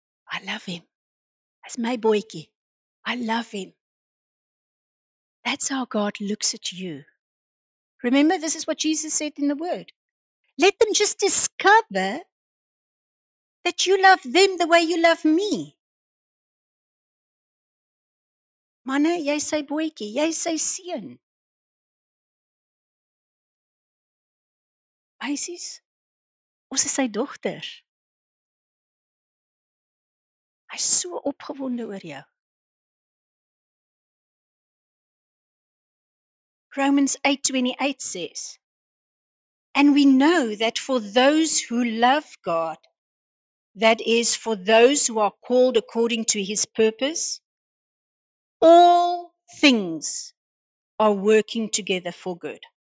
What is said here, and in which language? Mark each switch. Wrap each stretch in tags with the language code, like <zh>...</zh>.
<en>I love Him. That's my boykie. I love Him. That's how God looks at you. Remember, this is what Jesus said in the Word. Let them just discover that you love them the way you love me.</en> <af>Manne, jy sy boetjie, jy sy seun. Meisies, ons is sy dogters. Hy is so opgewonde oor jou.</af> <en>Romans 8:28 says, and we know that for those who love God, that is, for those who are called according to His purpose, all things are working together for good.</en>